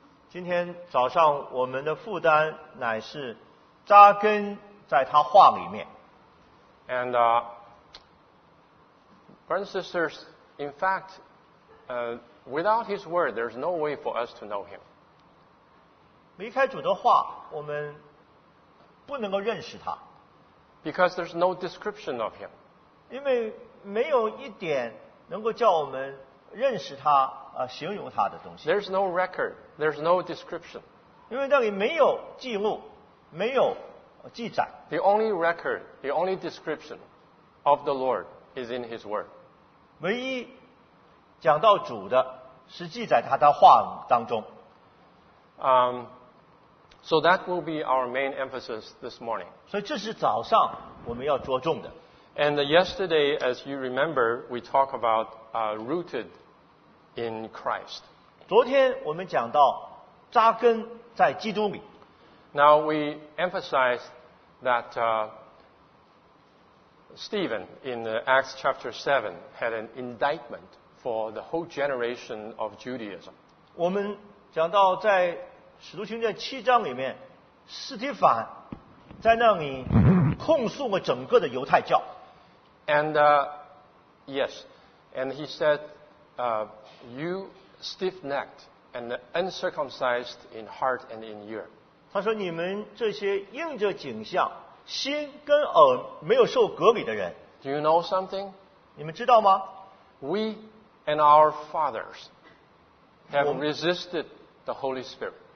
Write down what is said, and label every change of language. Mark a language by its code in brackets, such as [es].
[zh] 今天早上我们的负担乃是扎根在他话里面。 [en] And brothers and sisters, in fact, without his word, there's no way for us to know him. [zh] 离开主的话，我们不能够认识他。 [en] Because there's no description of him. [zh] 因为没有一点能够叫我们认识他，形容他的东西。 [en] There's no record. There's no description. [zh] 因为那里没有记录，没有记载。 [en] The only record, the only description of the Lord is in His Word. [zh] 唯一讲到主的是记载他的话当中。 [en] So that will be our main emphasis this morning. [zh] 所以这是早上我们要着重的。 [en] And yesterday, as you remember, we talked about rooted in Christ. [zh] 昨天我们讲到扎根在基督里。 [en] Now we emphasize that Stephen in Acts chapter 7 had an indictment for the whole generation of Judaism. [zh] 我们讲到在《使徒行传》7章里面， 斯提凡在那里控诉了整个的犹太教。 [en] And yes, and he said, you stiff-necked and uncircumcised in heart and in ear. [zh] 他说你们这些应着景象, 心跟耳没有受隔离的人。 [en] Do you know something? [zh] 你们知道吗? [en] We and our fathers have resisted the Holy Spirit.